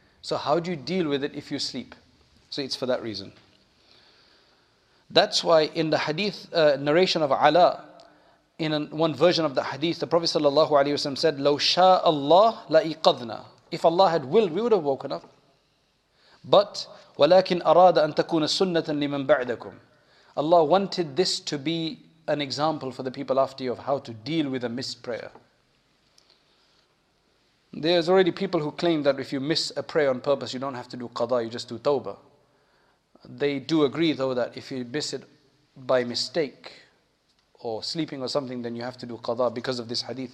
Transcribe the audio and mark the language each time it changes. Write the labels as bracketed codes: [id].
[en] So how do you deal with it if you sleep? So it's for that reason. That's why in the hadith narration of Ala, in one version of the hadith, the Prophet sallallahu alaihi wasallam said, [ar] لَوْ شَاءَ اللَّهُ لَإِقَذْنَا. [en] If Allah had willed, we would have woken up. [ar] But وَلَكِنْ أَرَادَ أَن تَكُونَ سُنَّةً لِمَنْ بَعْدَكُمْ. [en] Allah wanted this to be an example for the people after you of how to deal with a missed prayer. There's already people who claim that if you miss a prayer on purpose, you don't have to do qada, you just do tawbah. They do agree though that if you miss it by mistake or sleeping or something, then you have to do qada because of this hadith.